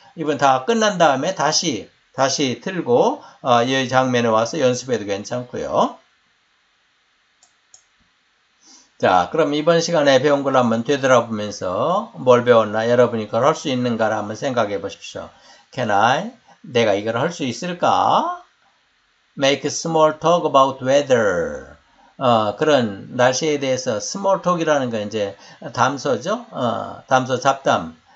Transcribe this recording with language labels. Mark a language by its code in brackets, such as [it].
[ko] 이번 다 끝난 다음에 다시 틀고 이 장면에 와서 연습해도 괜찮고요. 자, 그럼 이번 시간에 배운 걸 한번 되돌아보면서 뭘 배웠나? 여러분이 그걸 할수 있는가를 한번 생각해 보십시오. [en] Can I? [ko] 내가 이걸 할수 있을까? [en] Make small talk about weather. [ko] 그런 날씨에 대해서 small talk이라는 건 이제 담소죠. 담소 잡담.